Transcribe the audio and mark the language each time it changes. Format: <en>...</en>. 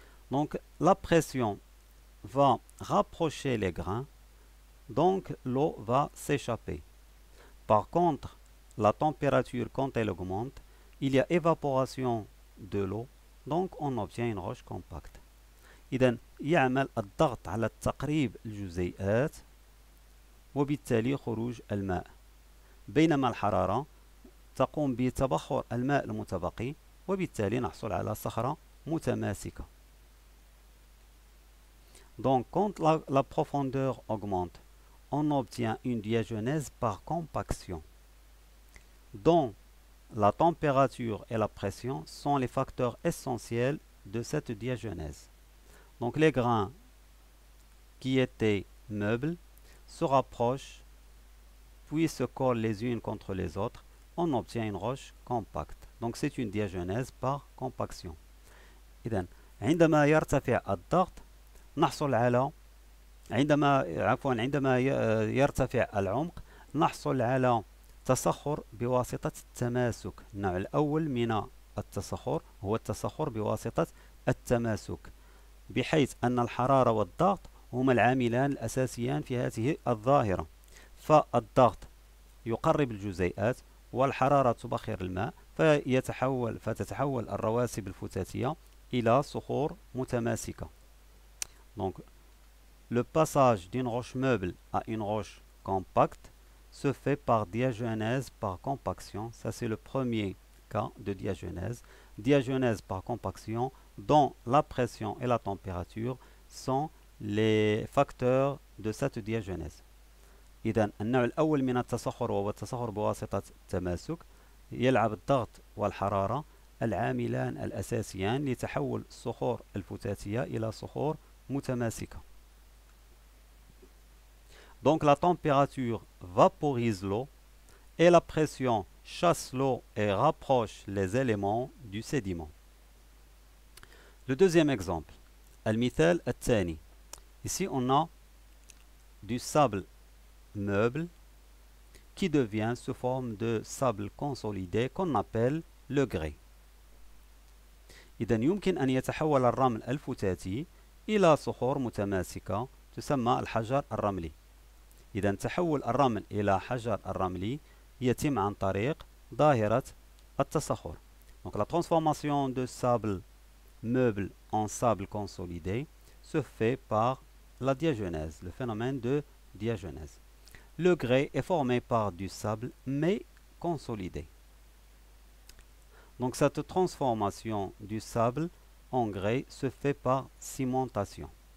<fr>Donc la pression va rapprocher les grains, donc l'eau va s'échapper. Par contre, la température, quand elle augmente, il y a évaporation de l'eau, donc on obtient une roche compacte.</fr> <ar>إذن يعمل الضغط على تقريب الجزيئات وبالتالي خروج الماء، بينما الحرارة تقوم بتبخر الماء المتبقي وبالتالي نحصل على صخرة متماسكة.</ar> <fr>Donc, quand la profondeur augmente, on obtient une diagenèse par compaction, dont la température et la pression sont les facteurs essentiels de cette diagenèse. Donc, les grains qui étaient meubles se rapprochent, puis se collent les unes contre les autres, on obtient une roche compacte. Donc, c'est une diagenèse par compaction.</fr> <ar>إذن, عندما يرتفع الضغط نحصل على عندما يرتفع العمق نحصل على تصخر بواسطة التماسك. النوع الأول من التصخر هو التصخر بواسطة التماسك، بحيث أن الحرارة والضغط هما العاملان الأساسيان في هذه الظاهرة. فالضغط يقرب الجزيئات والحرارة تبخر الماء فتتحول الرواسب الفتاتية إلى صخور متماسكة.</ar> <fr>Donc, le passage d'une roche meuble à une roche compacte se fait par diagenèse, par compaction. Ça, c'est le premier cas de diagenèse. Diagenèse par compaction, dont la pression et la température sont les facteurs de cette diagenèse.</fr> <ar>إذن النوع الأول من التصحر وهو التصحر بواسطة التماسك يلعب الضغط والحرارة العاملان الأساسيان لتحول الصخور الفتاتية إلى صخور متماسكة.</ar> <fr>Donc la température vaporise l'eau et la pression chasse l'eau et rapproche les éléments du sédiment. Le deuxième exemple,</fr> <ar>المثال الثاني.</ar> <fr>Ici on a du sable meuble qui devient sous forme de sable consolidé qu'on appelle le grès.</fr> <ar>إذن يمكن أن يتحول الرمل الفتاتي إلى صخور متماسكة تسمى الحجر الرملي. إذن تحول الرمل إلى حجر الرملي يتم عن طريق ظاهرة التصخر.</ar> <fr>Donc la transformation de sable meuble en sable consolidé se fait par la diagenèse, le phénomène de diagenèse. Le grès est formé par du sable mais consolidé. Donc cette transformation du sable en grès se fait par cimentation.</fr>